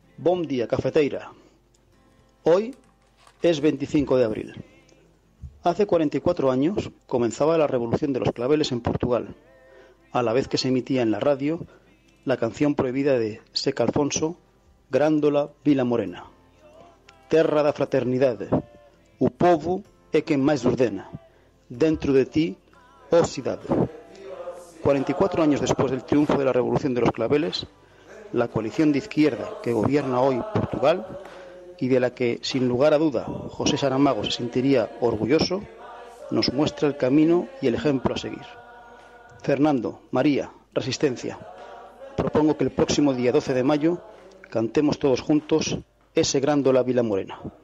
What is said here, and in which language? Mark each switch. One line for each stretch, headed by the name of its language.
Portuguese: Bom dia, cafeteira.
Spanish: Hoy es 25 de abril. Hace 44 años comenzaba la revolución de los claveles en Portugal, a la vez que se emitía en la radio la canción prohibida de Sec Alfonso, Grándola Vila Morena.
Portuguese: Terra da fraternidade, o povo é quem mais ordena, dentro de ti, ó cidade.
Spanish: 44 años después del triunfo de la revolución de los claveles, la coalición de izquierda que gobierna hoy Portugal y de la que, sin lugar a duda, José Saramago se sentiría orgulloso, nos muestra el camino y el ejemplo a seguir. Fernando, María, Resistencia, propongo que el próximo día 12 de mayo cantemos todos juntos ese Grándola Vila Morena.